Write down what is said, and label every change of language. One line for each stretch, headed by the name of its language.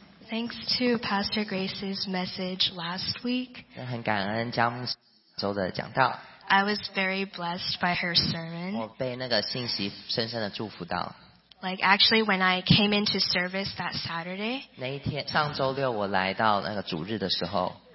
English: Thanks to Pastor Grace's message last week.
Chinese: 很感恩佳牧周的讲道。
English: I was very blessed by her sermon.
Chinese: 我被那个信息深深的祝福到。
English: Like actually, when I came into service that Saturday,
Chinese: 那一天上周六我来到那个主日的时候。